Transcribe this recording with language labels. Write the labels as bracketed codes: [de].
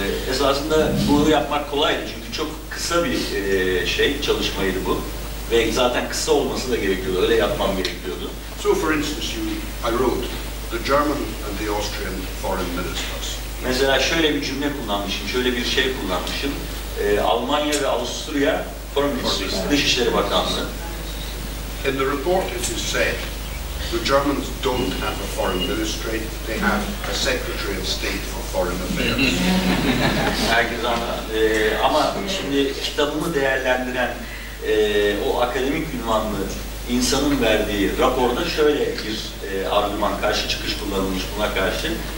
[tr] Esasında bunu yapmak kolaydı çünkü çok kısa bir çalışmaydı bu ve zaten kısa olması da gerekiyordu. Öyle yapmam gerekiyordu. [en] So for instance, I wrote the German and the Austrian foreign ministers. [tr] Mesela şöyle bir cümle kullanmışım, şöyle bir şey kullanmışım. Almanya ve Avusturya [en] Foreign Ministries, [tr] Dışişleri Bakanlığı. [en] In the report it is said, the Germans don't have a foreign ministry, they have a secretary of state for foreign affairs. [tr] Herkes ama şimdi kitabımı değerlendiren o akademik ünvanlı insanın verdiği raporda şöyle bir argüman karşı çıkış kullanılmış buna karşı.